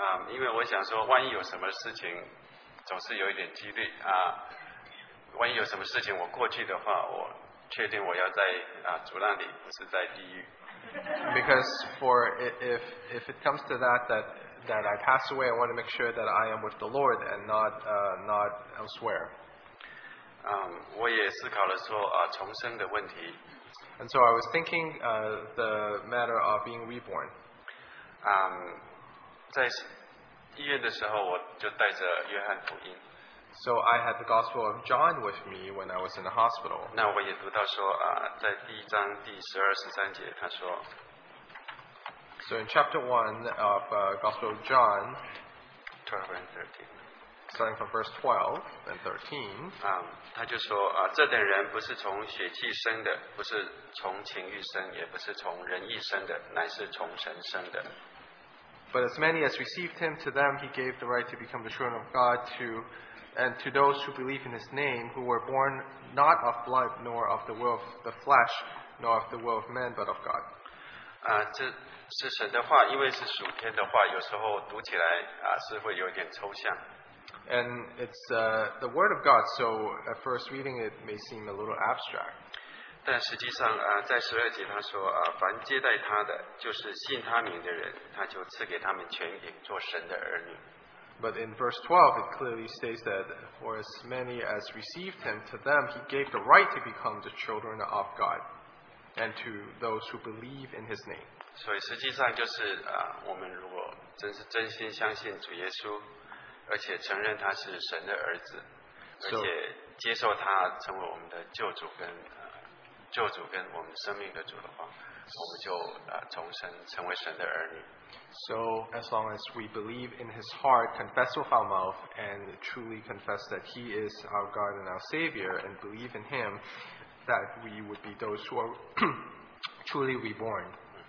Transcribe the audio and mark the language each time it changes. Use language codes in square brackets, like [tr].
[zh] 因为我想说，万一有什么事情，总是有一点几率啊。万一有什么事情我过去的话，我确定我要在主那里，不是在地狱。 [en] Because for if it comes to that I pass away, I want to make sure that I am with the Lord and not elsewhere. [zh] 我也思考了说重生的问题。 [en] And so I was thinking the matter of being reborn. [zh] 在医院的时候，我就带着约翰福音。 [en] So I had the Gospel of John with me when I was in the hospital. [zh] 那我也读到说在第一章第十二十三节，他说。 [en] So in chapter 1 of Gospel of John, 12 and 13, starting from verse 12 and 13, [zh] 他就说这等人不是从血气生的，不是从情欲生，也不是从人意生的，乃是从神生的。 [en] But as many as received him, to them he gave the right to become the children of God, and to those who believe in his name, who were born not of blood, nor of the will of the flesh, nor of the will of men, but of God. [zh] 这是神的话，因为是属天的话，有时候读起来是会有点抽象。 [en] And it's the word of God, so at first reading it may seem a little abstract. [zh] 但实际上在十二节他说凡接待他的，就是信他名的人，他就赐给他们权柄，做神的儿女。 [en] But in verse 12, it clearly states that for as many as received him, to them he gave the right to become the children of God and to those who believe in his name. [zh] 所以实际上就是我们如果真是真心相信主耶稣，而且承认他是神的儿子，而且接受他成为我们的救主跟我们生命的主的话，我们就重生成为神的儿女。 [en] So as long as we believe in his heart, confess with our mouth, and truly confess that he is our God and our Savior, and believe in him, that we would be those who are truly reborn.